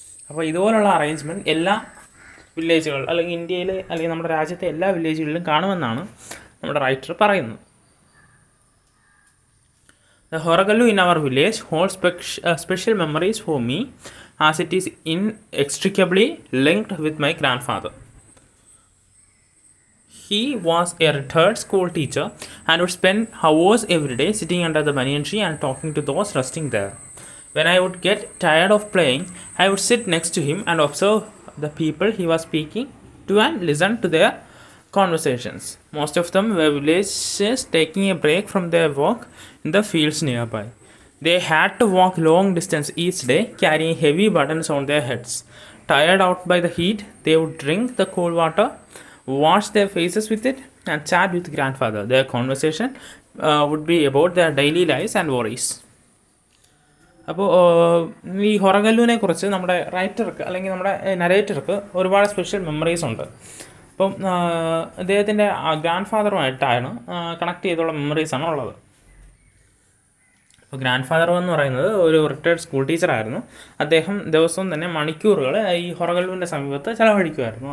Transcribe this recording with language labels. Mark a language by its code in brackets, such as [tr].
[ml] അപ്പോൾ ഇതുപോലുള്ള അറേഞ്ച്മെൻറ്റ് എല്ലാ വില്ലേജുകൾ അല്ലെങ്കിൽ ഇന്ത്യയിൽ അല്ലെങ്കിൽ നമ്മുടെ രാജ്യത്തെ എല്ലാ വില്ലേജുകളിലും കാണുമെന്നാണ് നമ്മുടെ റൈറ്റർ പറയുന്നത്. [en] The Horagallu in our village hold special memories for me as it is inextricably linked with my grandfather. He was a retired school teacher and would spend hours every day sitting under the banyan tree and talking to those resting there. When I would get tired of playing, I would sit next to him and observe the people he was speaking to and listen to their conversations. Most of them were villagers taking a break from their work in the fields nearby. They had to walk long distance each day, carrying heavy burdens on their heads. Tired out by the heat, they would drink the cold water, wash their faces with it and chat with grandfather. Their conversation would be about their daily lives and worries. [ml] അപ്പോൾ ഈ ഹൊറഗല്ലുവിനെ കുറിച്ച് നമ്മുടെ റൈറ്റർക്ക് അല്ലെങ്കിൽ നമ്മുടെ നരേറ്റർക്ക് ഒരുപാട് special memories ഉണ്ട്. അപ്പം അദ്ദേഹത്തിൻ്റെ ഗ്രാൻഡ് ഫാദറുമായിട്ടാണ് കണക്ട് ചെയ്തുള്ള മെമ്മറീസാണ് ഉള്ളത്. അപ്പോൾ ഗ്രാൻഡ് ഫാദർ എന്ന് പറയുന്നത് ഒരു റിട്ടയേർഡ് സ്കൂൾ ടീച്ചറായിരുന്നു. അദ്ദേഹം ദിവസവും തന്നെ മണിക്കൂറുകൾ ഈ ഹൊറഗല്ലുവിൻ്റെ സമീപത്ത് ചിലവഴിക്കുമായിരുന്നു.